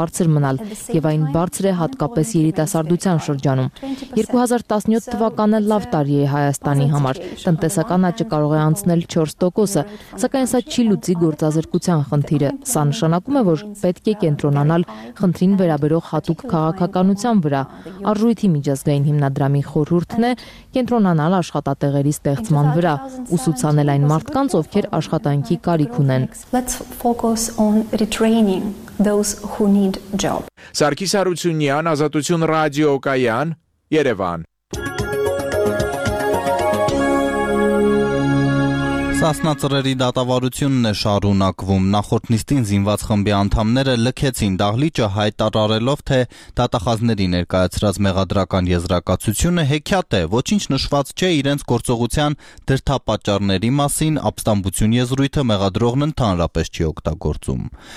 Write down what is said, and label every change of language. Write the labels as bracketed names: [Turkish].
[Armenian] բարձր մնալ, եւ այն բարձր է հատկապես երիտասարդության շրջանում։ 2017 թվականը լավ տարի է Հայաստանի համար, տնտեսական աճը կարող է անցնել 4%-ը, սակայն սա չի լուծի գործազրկության խնդիրը։ Սա նշանակում է, որ պետք է կենտրոնանալ խնդրին վերաբերող հատուկ քաղաքականության վրա։ Արժույթի միջազգային հիմնադրամի խորհուրդն է կենտրոնանալ աշխատատեղերի ստեղծման վրա, ուսուցանել այն մարդկանց, ովքեր աշխատանքի կարիք ունեն։ [English] Let's focus on retraining those who need job. [Armenian] Սարգիս Հարությունյան, Ազատություն ռադիո Կայան, Երևան։ Սասնածրերի դատավարությունն է շարունակվում։ Նախորդ նիստին զինված խմբի անդամները լքեցին դահլիճը, հայտարարելով, թե դատախազների ներկայացրած մեղադրական եզրակացությունը հեքիաթ է, ոչինչ նշված չէ իրենց գործողության դրդապատճառների մասին, ապստամբություն եզրույթը մեղադրողն ընդհանրապես չի օգտագործում։